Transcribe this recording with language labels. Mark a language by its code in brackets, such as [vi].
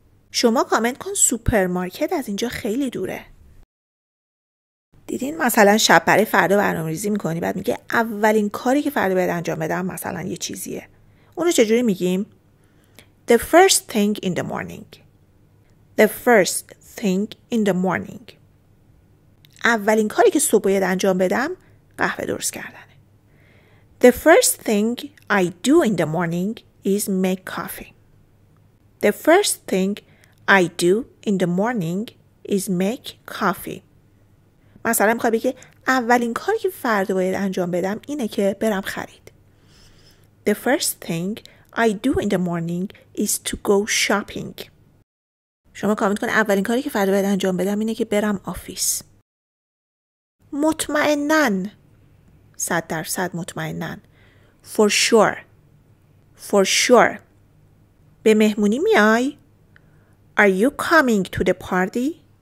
[fa] شما کامنت کن سوپرمارکت از اینجا خیلی دوره. دیدین مثلا شب برای فردا برنامه ریزی میکنی، بعد میگه اولین کاری که فردا باید انجام بدم مثلا یه چیزیه. اونو چجوری میگیم؟ The first thing in the morning. [en] The first thing in the morning. [fa] اولین کاری که صبح باید انجام بدم قهوه درست کردنه. [en] The first thing I do in the morning is make coffee. The first thing I do in the morning is make coffee. [fa] مثلا میخوای بگی اولین کاری که فردا باید انجام بدم اینه که برم خرید. [en] The first thing I do in the morning is to go shopping. [fa] شما کامنت کن اولین کاری که فردا باید انجام بدم اینه که برم آفیس. مطمئنن. 100% مطمئنن. For sure. For sure. [en] به مهمونی میای؟ Are you coming to the party?